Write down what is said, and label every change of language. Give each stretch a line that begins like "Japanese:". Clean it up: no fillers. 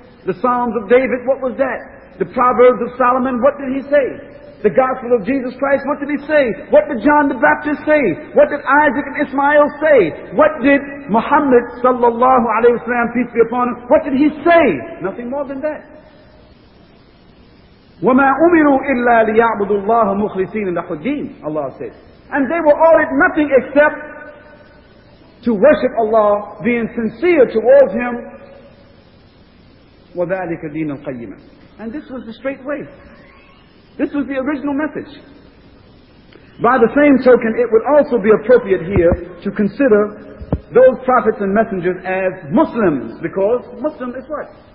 English: The Psalms of David, what was that? The Proverbs of Solomon, what did he say? The Gospel of Jesus Christ, what did he say? What did John the Baptist say? What did Isaac and Ismail say? What did Muhammad, sallallahu alayhi wa sallam, peace be upon him, what did he say? Nothing more than that.
Arabic: وَمَا أُمِرُوا إِلَّا لِيَعْبُدُوا اللَّهَ مُخْلِصِينَ لَحُ الدِّينَ
English: Allah says. And they were ordered nothing except to worship Allah, being sincere towards Him.
Arabic: وَذَلِكَ دِينَ الْقَيِّمَةِ
English: And this was the straight way. This was the original message. By the same token, it would also be appropriate here to consider those prophets and messengers as Muslims, because Muslim is what?